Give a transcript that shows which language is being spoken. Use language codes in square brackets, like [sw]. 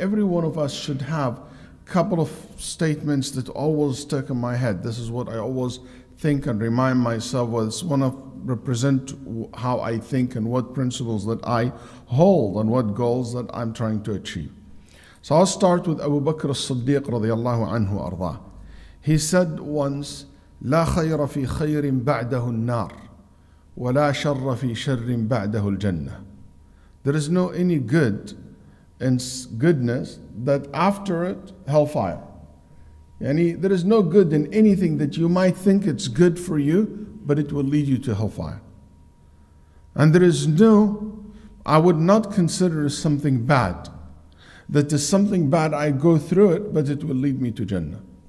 [en] Every one of us should have a couple of statements that always stuck in my head. This is what I always think and remind myself of. It's one of represent how I think and what principles that I hold and what goals that I'm trying to achieve. So I'll start with Abu Bakr as-Siddiq radiallahu anhu arda. He said once, [ar] لا خير في خير بعده النار ولا شر في شر بعده الجنة. [en] There is no any good in goodness that after it hellfire. Yani, there is no good in anything that you might think it's good for you, but it will lead you to hellfire. And there is no, I would not consider something bad, that is something bad I go through it, but it will lead me to Jannah.